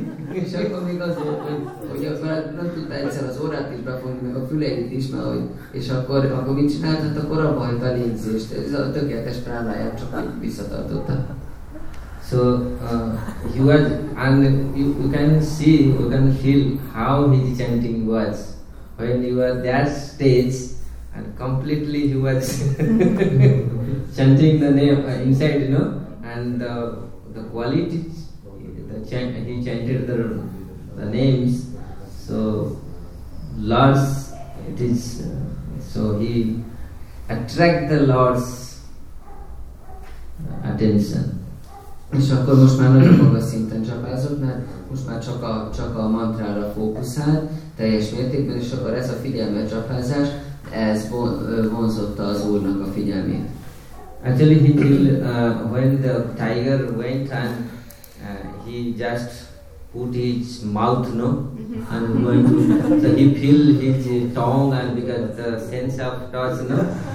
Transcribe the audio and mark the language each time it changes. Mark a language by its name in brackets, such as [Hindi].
[Hungarian] És akkor még az volt, hogy akkor nem tudta egyszer az órát is befogni, meg a füleit is, mert hogy, és akkor mit csinált, hát akkor abba hagyta a légzést, ez a tökéletes pránáját csak úgy visszatartotta. [English] So, he was, and you can see, you can feel how his chanting was, when you were that stage, and completely he was chanting the name inside, you know, and the quality, he chanted the names, so Lord's, it is, so he attract the Lord's attention. [Hungarian] És akkor most már nagyon magas szinten csapázott, mert most már csak a mantrára fókuszál teljes mértékben, és akkor ez a figyelmet csapázás, ez vonzotta az Úrnak a figyelmét. [English] Actually, he killed, when the tiger went and he just put his mouth, no? And went to, so he feel his tongue and because the sense of touch, no?